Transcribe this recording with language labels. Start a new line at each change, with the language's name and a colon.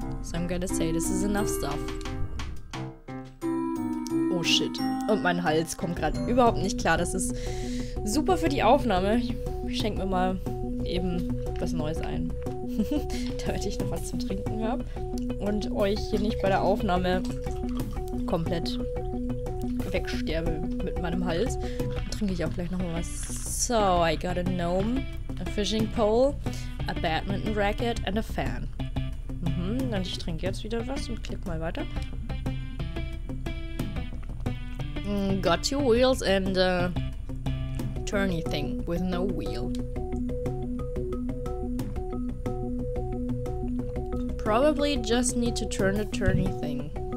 English: So I'm gonna say this is enough stuff. Oh shit.
German: Und mein Hals kommt gerade überhaupt nicht klar. Das ist super für die Aufnahme. Ich schenke mir mal eben was Neues ein. Damit ich noch was zu trinken habe. Und euch hier nicht bei der Aufnahme komplett wegsterbe mit meinem Hals. Trinke ich auch gleich nochmal was.
English: So, I got a gnome, a fishing pole, a badminton racket and a fan.
German: Mhm, und ich trinke jetzt wieder was und klick mal weiter.
English: Got two wheels and a turny thing with no wheel. Probably just need to turn the turny thing.